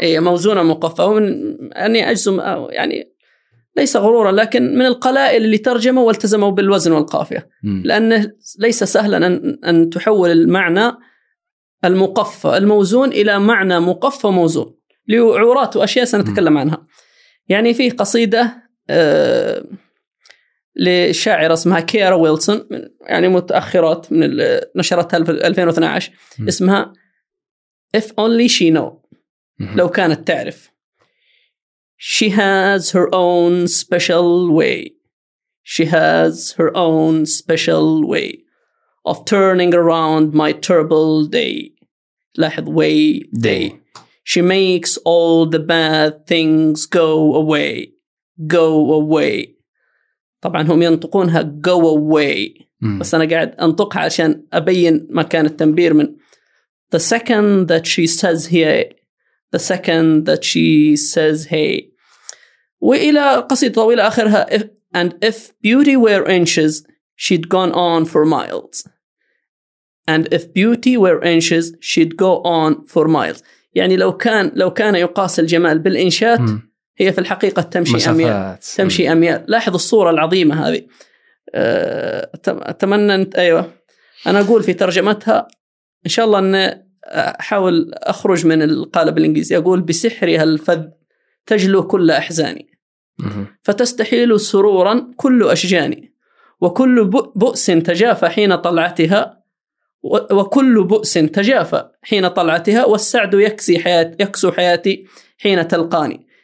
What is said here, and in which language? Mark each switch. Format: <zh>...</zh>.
<ar>اي موزونه مقفه، ومن اني اجزم يعني ليس غرورا، لكن من القلائل اللي ترجموا والتزموا بالوزن والقافيه، لانه ليس سهلا ان تحول المعنى المقفى الموزون الى معنى مقفى موزون، لعورات واشياء سنتكلم عنها. يعني فيه قصيدة لشاعرة اسمها كيرا ويلسون، يعني متأخرات، من نشرتها 2012، اسمها If Only She Know، لو كانت تعرف.</ar> <en>She has her own special way, she has her own special way of turning around my terrible day.</en> <ar>لاحظ</ar> <en>way day. She makes all the bad things go away, go away.</en> <ar>طبعا هم ينطقونها</ar> <en>go away،</en> <ar>بس أنا قاعد أنطقها عشان أبين مكان التنبير. من</ar> <en>the second that she says hey, the second that she says hey.</en> <ar>وإلى قصيدة طويلة آخرها،</ar> <en>and if beauty were inches she'd gone on for miles. And if beauty were inches, she'd go on for miles.</en> <ar>يعني لو كان يقاس الجمال بالإنشات هي في الحقيقة تمشي مسافات. أميال تمشي أميال. لاحظ الصورة العظيمة هذه. أتمنى أنت أيوة أنا أقول في ترجمتها إن شاء الله أن أحاول أخرج من القالب الإنجليزي، أقول بسحرها الفذ تجلو كل أحزاني فتستحيل سرورا كل أشجاني، وكل بؤس تجافى حين طلعتها، وكل بؤس تجافى حين طلعتها، والسعد يكسو حياتي حين تلقاني.</ar>